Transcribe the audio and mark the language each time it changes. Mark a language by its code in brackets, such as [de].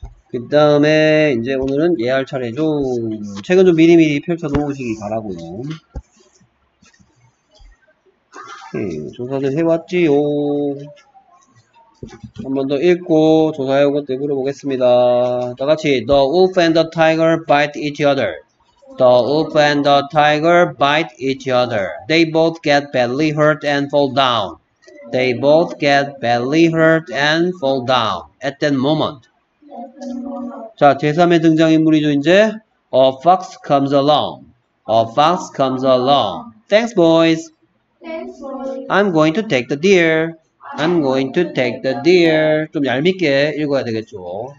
[ko] 그다음에 이제 오늘은 예할 차례죠. 책은 좀 미리미리 펼쳐 놓으시기 바라고요. 오케이, 조사를 해왔지요. 한번더 읽고 조사해 온 것들 물어보겠습니다. 다 같이 [en] The wolf and the tiger bite each other. The wolf and the tiger bite each other. They both get badly hurt and fall down. They both get badly hurt and fall down. At that moment. [ko] 자, 제3의 등장인물이죠, 이제. [en] A fox comes along. A fox comes along. Thanks, boys. I'm going to take the deer. I'm going to take the deer. [ko] 좀 얄밉게 읽어야 되겠죠.